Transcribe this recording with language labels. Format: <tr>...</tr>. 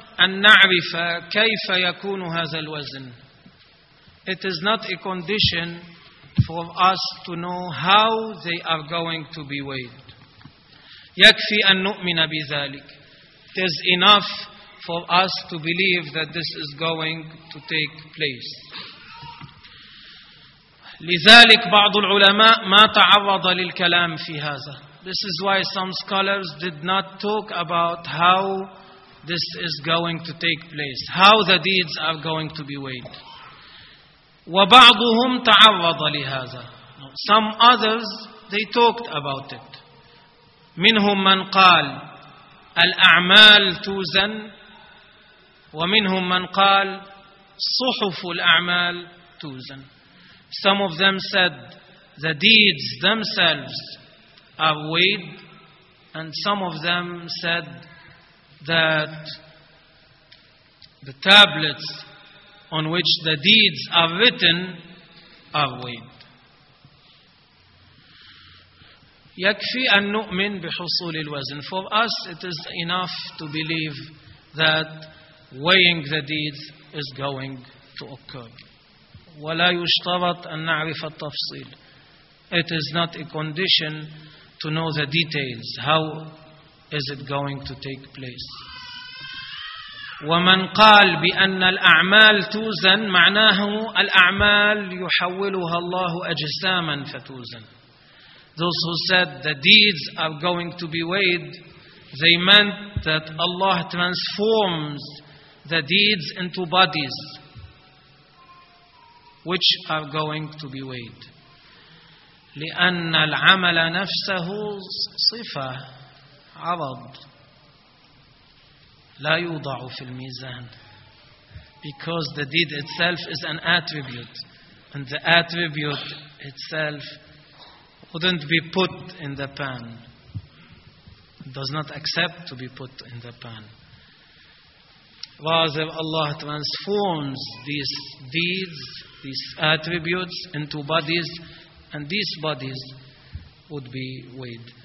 <ar>أن نعرف كيف يكون هذا الوزن.</ar> <en>It is not a condition for us to know how they are going to be weighed.</en> <ar>يكفي أن نؤمن بذلك.</ar> <en>It is enough for us to believe that this is going to take place.</en> <ar>لذلك بعض العلماء ما تعرض للكلام في هذا.</ar> <en>This is why some scholars did not talk about how this is going to take place, how the deeds are going to be weighed.</en> <ar>وبعضهم تعرض لهذا.</ar> <en>Some others, they talked about it.</en> <ar>منهم من قال الأعمال توزن ومنهم من قال صحف الأعمال توزن.</ar> <en>Some of them said the deeds themselves are weighed, and some of them said that the tablets on which the deeds are written are weighed.</en> <ar>يكفي أن نؤمن بحصول الوزن.</ar> <en>For us, it is enough to believe that weighing the deeds is going to occur.</en> <ar>ولا يشترط أن نعرف التفصيل.</ar> <en>It is not a condition to know the details. How is it going to take place?</en> <ar>ومن قال بأن الأعمال توزن معناه الأعمال يحولها الله أجساما فتوزن.</ar> <en>Those who said the deeds are going to be weighed, they meant that Allah transforms the deeds into bodies which are going to be weighed.</en> <ar>لأن العمل نفسه صفة عرض لا يوضع في الميزان.</ar> <en>Because the deed itself is an attribute, and the attribute itself wouldn't be put in the pan. Does not accept to be put in the pan. Rather, Allah transforms these deeds, these attributes, into bodies, and these bodies would be weighed.</en>